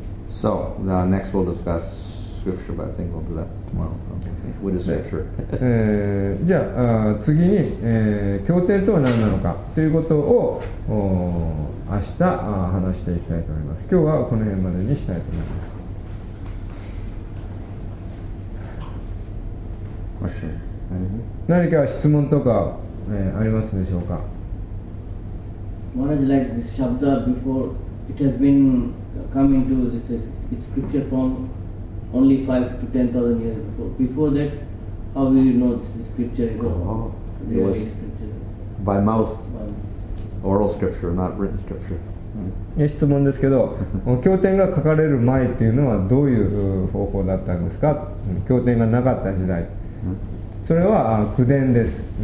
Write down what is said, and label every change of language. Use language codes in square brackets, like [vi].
[en] So, the next we'll discuss scripture, but I think we'll do that tomorrow. What is scripture? [ja] じゃあ、次に、経典とは何なのかということを明日話していきたいと思います。今日はこの辺までにしたいと思います。 [en] Question? Anything? [ja] 何か質問とか、ありますでしょうか? [en] What is like this shabda before it has been coming to this is scripture form only 5 to 10,000 years before. Before that, how do you know this scripture is It was scripture? By mouth. Oral scripture, not written scripture. [ja] 質問ですけど、経典が書かれる前っていうのはどういう方法だったんですか？経典がなかった時代、それは口伝です。